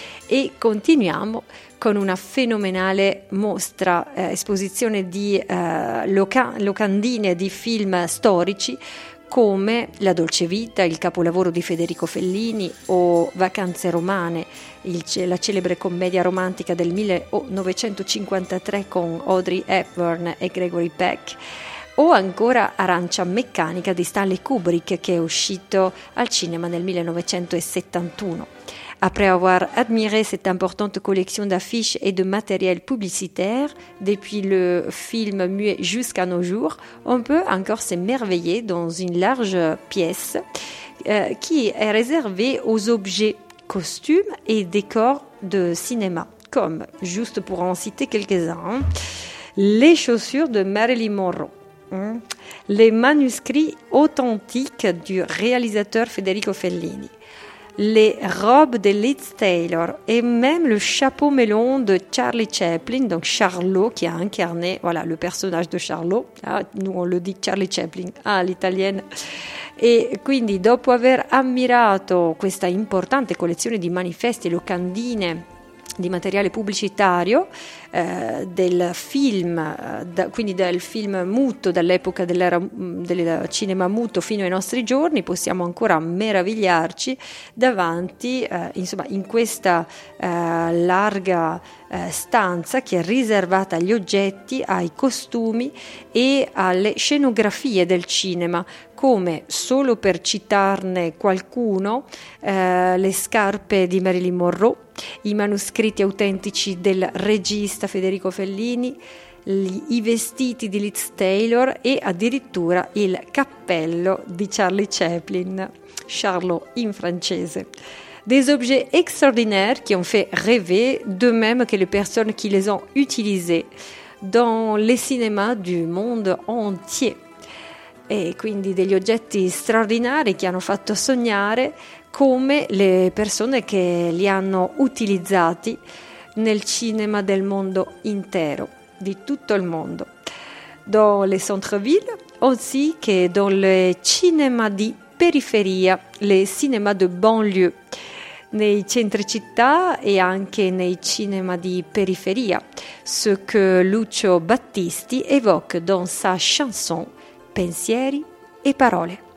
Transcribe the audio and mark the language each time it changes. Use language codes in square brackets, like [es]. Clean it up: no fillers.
[it] Et continuiamo con una fenomenale mostra, esposizione di locandine di film storici come La Dolce Vita, il capolavoro di Federico Fellini, o Vacanze Romane, la celebre commedia romantica del 1953 con Audrey Hepburn e Gregory Peck, o ancora Arancia Meccanica di Stanley Kubrick, che è uscito al cinema nel 1971. [fr] Après avoir admiré cette importante collection d'affiches et de matériel publicitaire, depuis le film muet jusqu'à nos jours, on peut encore s'émerveiller dans une large pièce qui est réservée aux objets, costumes et décors de cinéma, comme, juste pour en citer quelques-uns, les chaussures de Marilyn Monroe, les manuscrits authentiques du réalisateur Federico Fellini, les robes de Liz Taylor et même le chapeau melon de Charlie Chaplin, donc Charlot, qui a incarné voilà, le personnage de Charlot. Ah, nous, on le dit Charlie Chaplin, ah, l'italienne. [it] Et quindi, dopo aver ammirato questa importante collezione di manifesti e locandine di materiale pubblicitario del film muto dall'epoca del cinema muto fino ai nostri giorni, possiamo ancora meravigliarci davanti in questa larga stanza che è riservata agli oggetti, ai costumi e alle scenografie del cinema, come, solo per citarne qualcuno, le scarpe di Marilyn Monroe, i manoscritti autentici del regista Federico Fellini, i vestiti di Liz Taylor e addirittura il cappello di Charlie Chaplin, Charlot in francese. [fr] des objets extraordinaires qui ont fait rêver, de même que les personnes qui les ont utilisés dans les cinémas du monde entier. [it] Et quindi degli oggetti straordinari che hanno fatto sognare come le persone che li hanno utilizzati nel cinema del mondo intero, di tutto il mondo. [fr] Dans les centres-villes, ainsi que dans les cinémas [it] di periferia, [fr] les cinémas de banlieue, [it] nei centri città e anche nei cinémas di periferia, [fr] ce que Lucio Battisti évoque dans sa chanson Pensieri e parole.